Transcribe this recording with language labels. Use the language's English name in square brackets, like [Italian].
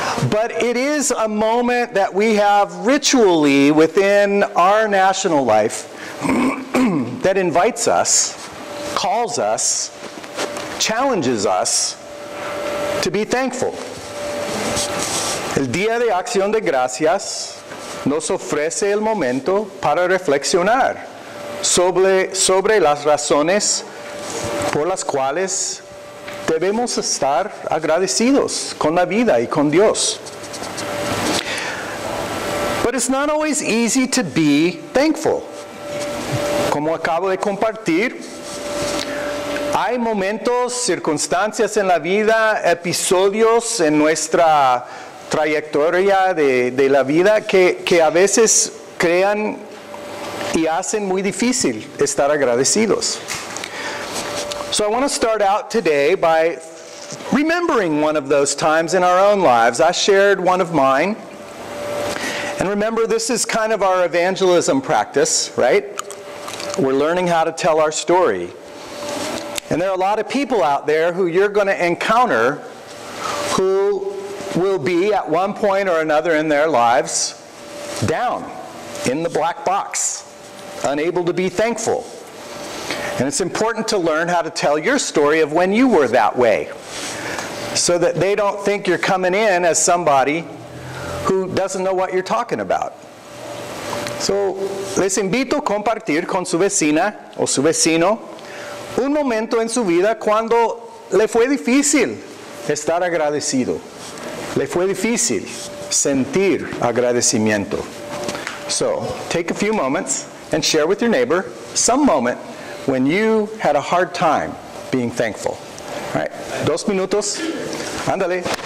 [English] But it is a moment that we have ritually within our national life that invites us, calls us, challenges us to be thankful. [Spanish] El Día de Acción de Gracias nos ofrece el momento para reflexionar sobre las razones por las cuales debemos estar agradecidos con la vida y con Dios. [English] But it's not always easy to be thankful. [Spanish] Como acabo de compartir, hay momentos, circunstancias en la vida, episodios en nuestra trayectoria de la vida que a veces crean y hacen muy difícil estar agradecidos. [English] So I want to start out today by remembering one of those times in our own lives. I shared one of mine. And remember, this is kind of our evangelism practice, right? We're learning how to tell our story. And there are a lot of people out there who you're going to encounter who will be at one point or another in their lives down in the black box, unable to be thankful. And it's important to learn how to tell your story of when you were that way so that they don't think you're coming in as somebody who doesn't know what you're talking about. [Spanish] So, les invito a compartir con su vecina o su vecino un momento en su vida cuando le fue difícil estar agradecido. Le fue difícil sentir agradecimiento. [English] So, take a few moments and share with your neighbor some moment when you had a hard time being thankful. All right, 2 minutes. Andale.